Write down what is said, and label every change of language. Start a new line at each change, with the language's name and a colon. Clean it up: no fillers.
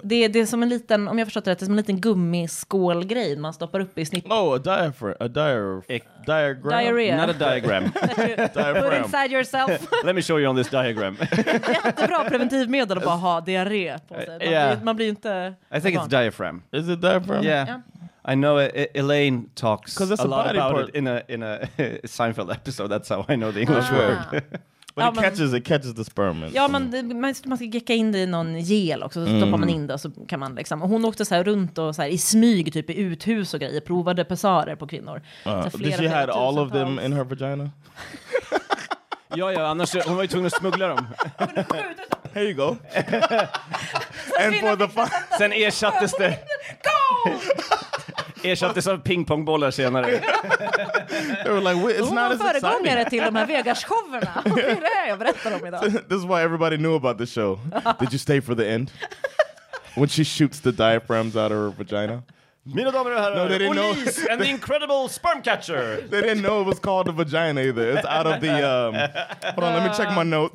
Swedish: det är som en liten, om jag förstått det rätt, det är som en liten gummiskålgrej man stoppar upp i snitt.
English: Oh, a diagram. Diarrhea. Not a diagram. Put inside yourself. Let me show you on this diagram.
Swedish: Jättebra preventivmedel att bara ha diarré på sig. Man blir inte.
English: I think it's diaphragm. Is it diaphragm? Yeah. I know Elaine talks a lot about it in a Seinfeld episode. That's how I know the English word. But ja, it catches the sperm.
Swedish: Ja, man ska gecka in det i någon gel också. Så stoppar man in det så kan man liksom. Och hon åkte så här runt och så här, i smyg typ i uthus och grejer. Provade pessarer på kvinnor.
English: Did she had all of them in her vagina?
Swedish: ja, annars hon var ju tvungen att smuggla dem.
English: Here you go. And for the fun.
Swedish: Sen ersattes det.
English: Go!
Swedish: Ersattes av pingpongbollar senare.
English: They were like, it's not as exciting.
Swedish: Hon föregångare till de här Vegas-showerna. Det är det jag berättar om idag.
English: This is why everybody knew about the show. Did you stay for the end? When she shoots the diaphragms out of her vagina?
Swedish: Mina damer och herrar,
English: Elise and the incredible sperm catcher. They didn't know it was called a vagina either. It's out of the, hold on, let me check my notes.